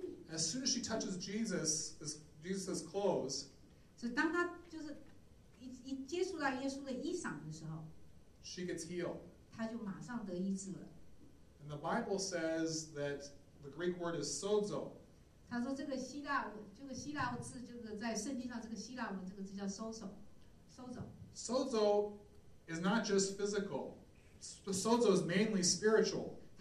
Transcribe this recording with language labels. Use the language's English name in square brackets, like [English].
[English] As soon as she touches Jesus' clothes, [Chinese] 所以当她就是一接触到耶稣的衣裳的时候, [English] she gets healed. [Chinese] 她就马上得医治了。 [English] And the Bible says that the Greek word is sozo. [Chinese] 她说这个希腊字，这个在圣经上这个希腊文这个字叫 sozo, sozo. [English] Sozo is not just physical. Sozo is mainly spiritual.